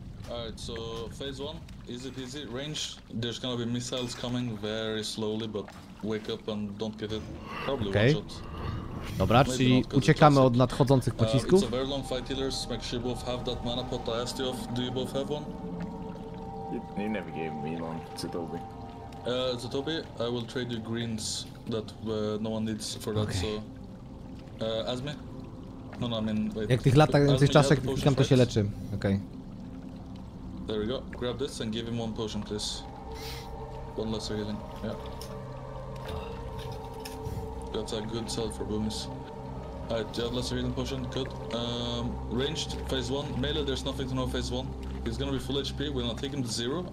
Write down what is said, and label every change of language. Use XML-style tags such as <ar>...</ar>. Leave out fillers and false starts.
<en>Alright, so phase one, easy peasy, range, there's gonna be missiles coming very slowly, but wake up and don't get it, probably one shot.</en> <pl>Dobra, czyli uciekamy od nadchodzących pocisków.</pl> <en>It's a very long fight, healers, make sure you both have that mana pot. I asked you off, do you both have one? You never gave me one, Zatobi. Zatobi, I will trade you greens that no one needs for that, so... Azmi? No, I mean, wait.</en> <pl>Jak tych latach, jak tych czasach, klikam, to się leczy, okej.</pl> <en>There we go. Grab this and give him one potion, please. One lesser healing. Yeah. That's a good sell for boomies. Alright, you have lesser healing potion. Good. Ranged, phase one. Melee, there's nothing to know phase one. He's gonna be full HP. We're gonna take him to zero.</en>